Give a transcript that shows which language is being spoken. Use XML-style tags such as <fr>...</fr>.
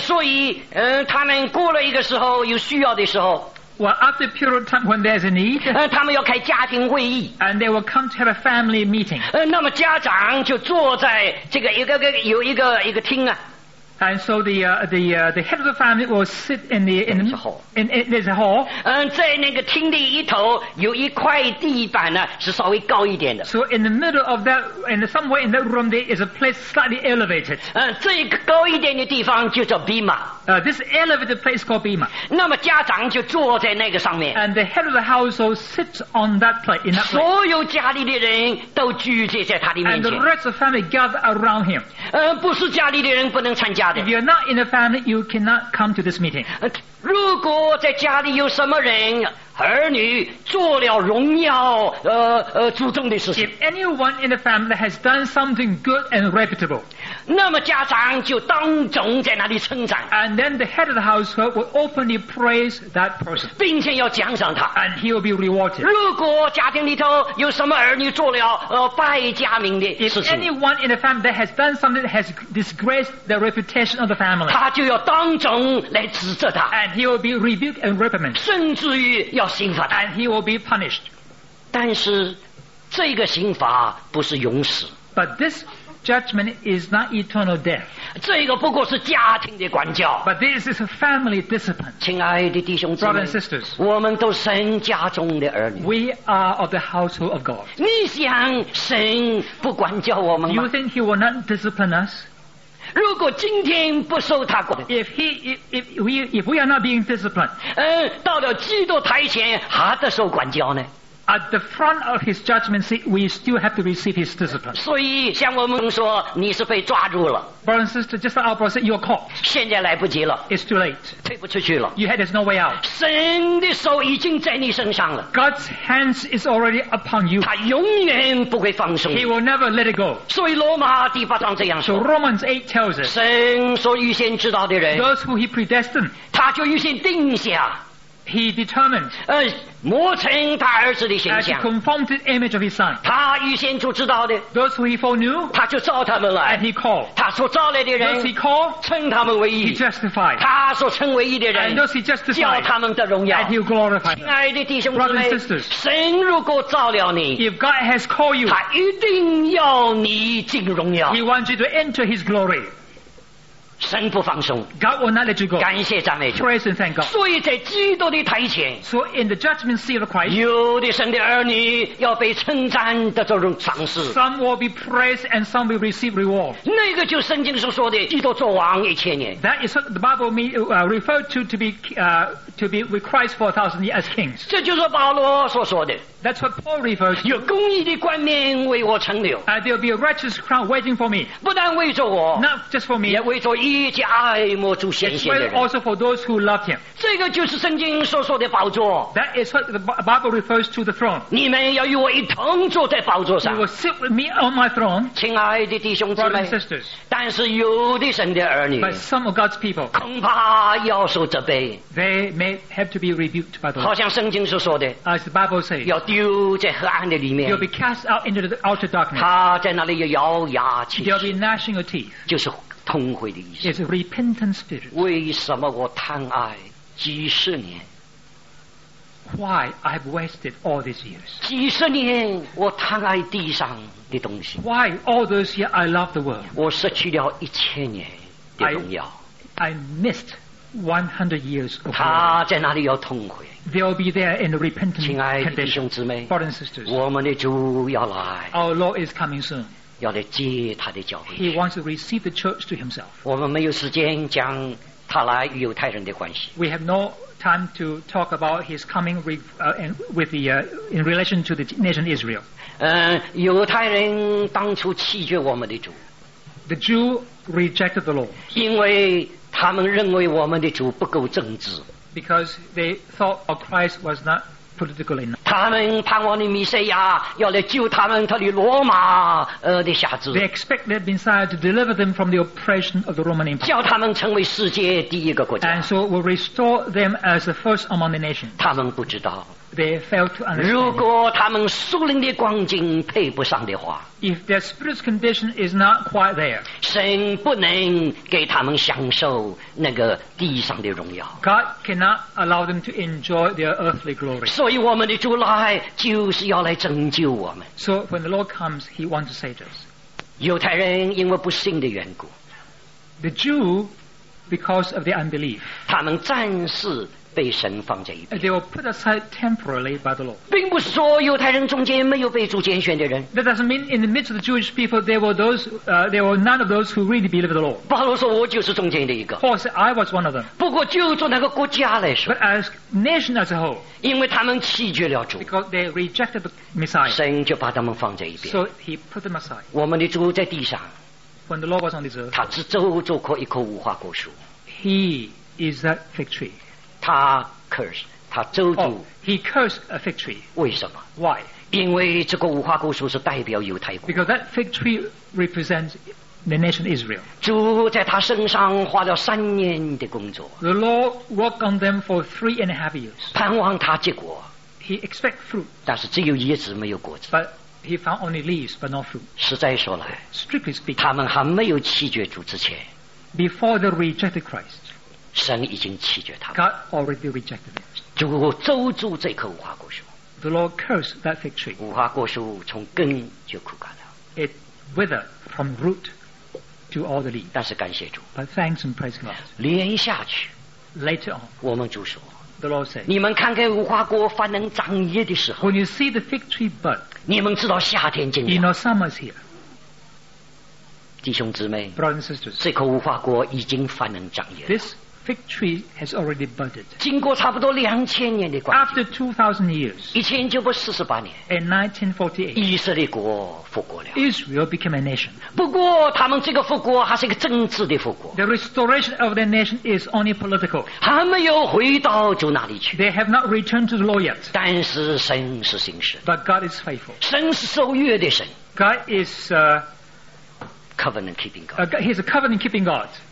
<zh>所以他们过了一个时候有需要的时候</zh> <en>well, after a period of time when there's a need,</en> <zh>他们要开家庭会议</zh> <en>and they will come to have a family meeting.</en> <zh>那么家长就坐在这个有一个厅啊</zh> <en>And so the head of the family will sit in the hall. There's a hall.</en> <zh>在那个厅的一头有一块地板呢，是稍微高一点的。</zh> <en>So in the middle of that, and somewhere in that room, there is a place slightly elevated.</en> <zh>这一个高一点的地方就叫 Bima.</zh> <en>This elevated place called Bima.</en> <zh>那么家长就坐在那个上面。</zh> <en>And the head of the household sits on that place. In that place.</en> <zh>所有家里的人都聚集在他的面前。</zh> <en>And the rest of the family gather around him.</en> <zh>不是家里的人不能参加。</zh> <en>If you're not in a family, you cannot come to this meeting.</en> <zh>如果在家里有什么人儿女做了荣耀主政的事情</zh> <en>If anyone in the family has done something good and reputable,</en> <zh>那么家长就当众在那里称赞</zh> <en>And then the head of the household will openly praise that person,</en> <zh>并且要奖赏他</zh> <en>And he will be rewarded.</en> <zh>如果家庭里头有什么儿女做了败家名的事情</zh> <en>If anyone in the family that has done something that has disgraced the reputation of the family,</en> <zh>他就要当众来指责他</zh> <en>And he will be rebuked and reprimanded.</en> <zh>甚至于要刑罚他</zh> <en>and he will be punished.</en> <zh>但是这个刑罚不是永死</zh> <en>But this judgment is not eternal death.</en> <zh>这个不过是家庭的管教</zh> <en>But this is a family discipline.</en> <zh>亲爱的弟兄姊妹</zh> <en>Brothers and sisters,</en> <zh>我们都神家中的儿女</zh> <en>We are of the household of God.</en> <zh>你想神不管教我们吗</zh> <en>You think he will not discipline us?</en> <zh>如果今天不受他管</zh> <en>if we are not being disciplined</en> <zh>到了基督台前还得受管教呢</zh> <en>at the front of his judgment seat we still have to receive his discipline</en> <zh>所以像我们说你是被抓住了</zh> <en>brother and sister just like our brother said you are caught</en> <zh>现在来不及了</zh> <en>it's too late</en> <zh>退不出去了</zh> <en>you had there's no way out</en> <zh>神的手已经在你身上了</zh> <en>God's hands is already upon you</en> <zh>他永远不会放松</zh> <en>He will never let it go</en> <zh>所以罗马第八章这样说</zh> <en>So Romans 8 tells us</en> <zh>神所预先知道的人</zh> <en>Those who he predestined</en> <zh>他就预先定下</zh> <en>He determined</en> <zh>磨成他儿子的形象</zh> <en>as he conformed to the image of his son</en> <zh>他预先就知道的</zh> <en>those who he foreknew</en> <zh>他就召他们来</zh> <en>and he called</en> <zh>他所召来的人</zh> <en>those he called</en> <zh>称他们为义</zh> <en>he justified</en> <zh>他所称为义的人</zh> <en>and those he justified</en> <zh>叫他们得荣耀</zh> <en>and he glorified</en> <zh>亲爱的弟兄姊妹</zh> <en>brothers and sisters</en> <zh>神如果召了你</zh> <en>if God has called you</en> <zh>他一定要你进荣耀</zh> <en>he wants you to enter his glory</en> <zh>神不放松</zh> <en>God will not let you go</en> <zh>感谢赞美主</zh> <en>Praise and thank God</en> <zh>所以在基督的台前</zh> <en>So in the judgment seat of Christ</en> <zh>有的神的儿女要被称赞的这种赏赐</zh> <en>Some will be praised and some will receive reward</en> <zh>那个就圣经所说的基督做王一千年</zh> <en>That is what the Bible referred to be with Christ for a thousand years as kings</en> <zh>这就是保罗所说的</zh> <en>That's what Paul refers to</en> <zh>有公义的冠冕为我存留</zh> <en>There will be a righteous crown waiting for me</en> <zh>不但为着我</zh> <en>Not just for me</en> <zh>也为着一切爱慕主先贤的人</zh> <en>It's also for those who loved him</en> <zh>这个就是圣经所说的宝座</zh> <en>That is what the Bible refers to the throne</en> <zh>你们要与我一同坐在宝座上</zh> <en>You will sit with me on my throne</en> <zh>亲爱的弟兄姊妹</zh> <en>Brothers and sisters</en> <zh>但是有的神的儿女</zh> <en>But some of God's people</en> <zh>恐怕要受责备</zh> <en>They may have to be rebuked by the Lord</en> <zh>好像圣经所说的</zh> <en>As the Bible says</en> <zh>要丢在黑暗的里面</zh> <en>You'll be cast out into the outer darkness</en> <zh>他在那里要咬牙切齿</zh> <en>They'll be gnashing your teeth</en> <zh>就是痛悔的意思</zh> <en>It's a repentant spirit.</en> <zh>为什么我贪爱几十年</zh> <en>why I've wasted all these years.</en> <zh>几十年我贪爱地上的东西。</zh> <en>Why all those years I love the world?</en> <zh>我失去了一千年的荣耀。</zh> <en>I missed 100 years of glory.</en> <zh>他在那里要痛悔。</zh> <en>They'll be there in a repentant</en> <zh>condition. 亲爱的弟兄姊妹，</zh> <en>brothers and sisters,</en> <zh>我们的主要来。</zh> <en>Our Lord is coming soon.</en> <zh>要来接他的教会。</zh> <en>He wants to receive the church to himself.</en> <zh>我们没有时间讲他来与犹太人的关系。</zh> <en>We have no time to talk about his coming with the in relation to the nation Israel.</en> <zh>犹太人当初弃绝我们的主。</zh> <en>The Jew rejected the Lord.</en> <zh>因为他们认为我们的主不够正直。</zh> <en>Because they thought of Christ was not.</en> <zh>他们盼望的弥赛亚要来救他们脱离罗马的辖制。</zh> <en>They expect their Messiah to deliver them from the oppression of the Roman Empire.</en> <zh>叫他们成为世界第一个国家。</zh> <en>And so will restore them as the first among the nations.</en> <zh>他们不知道。</zh> <en>They failed to understand.</en> <zh>如果他们属灵的光景配不上的话。</zh> <en>If their spiritual condition is not quite there.</en> <zh>神不能给他们享受那个地上的荣耀。</zh> <en>God cannot allow them to enjoy their earthly glory.</en> <zh>所以我们的主来就是要来拯救我们。</zh> <en>So when the Lord comes, He wants to save us.</en> <zh>犹太人因为不信的缘故。</zh> <en>The Jew, because of their unbelief.</en> <zh>他们暂时被神放在一边。</zh> <en>They were put aside temporarily by the Lord.</en> <zh>并不是说犹太人中间没有被主拣选的人。</zh> <en>That doesn't mean in the midst of the Jewish people there were those, there were none of those who really believed the Lord.</en> <zh>保罗说我就是中间的一个。</zh> <en>Paul said, I was one of them.</en> <zh>不过就做那个国家来说。</zh> <en>But as nation as a whole.</en> <zh>因为他们弃绝了主</zh> <en>Because they rejected the Messiah.</en> <zh>神就把他们放在一边</zh> <en>So he put them aside.</en> <zh>我们的主在地上</zh> <en>When the Lord was on this earth,</en> <zh>他是周周棵一棵无花果树</zh> <en>He is that fig tree.</en> <zh>他 curse, 他周主</zh> <en>He cursed a fig tree.</en> <zh>为什么</zh> <en>Why?</en> <zh>因为这个无花果树是代表犹太国</zh> <en>Because that fig tree represents the nation Israel.</en> <zh>主在他身上花了三年的工作。</zh> <en>The Lord worked on them for 3.5 years.</en> <zh>盼望他结果。</zh> <en>He expect fruit.</en> <zh>但是只有叶子没有果子。</zh> <en>But he found only leaves but not fruit.</en> <zh>实在说来。</zh> <en>Strictly speaking.</en> <zh>他们还没有弃绝主之前。</zh> <en>Before they rejected Christ.</en> <zh>神已经弃绝他们。</zh> <en>God already rejected them.</en> <zh>主咒诅这棵无花果树。</zh> <en>The Lord cursed that fig tree.</en> <zh>无花果树从根就枯干了。</zh> <en>It withered from root. To all the leaders.</en> <zh>但是感谢主。</zh> <en>But thanks and praise God.</en> <zh>连下去。</zh> <en>Later on.</en> <zh>我们主说。</zh> <en>The Lord said.</en> <zh>你们看看无花果翻能长叶的时候。</zh> <en>When you see the fig tree bud.</en> <zh>你们知道夏天近了。</zh> <en>You know summer's here.</en> <zh>弟兄姊妹。</zh> <en>Brothers and sisters.</en> <zh>这棵无花果已经翻能长叶了。</zh> <en>This fig tree has already budded.</en> <zh>经过差不多2000年的光景。</zh> <en>After 2000 years.</en> <zh>1948年。</zh> <en>In 1948.</en> <zh>以色列国复国了。</zh> <en>Israel became a nation.</en> <zh>不过他们这个复国还是一个政治的复国。</zh> <en>The restoration of the nation is only political.</en> <zh>还没有回到主那里去。</zh> <en>They have not returned to the Lord yet.</en> <zh>但是神是信实。</zh> <en>But God is faithful.</en> <zh>神是守约的神。</zh> <en>God is a covenant keeping God. He is a covenant keeping God.</en>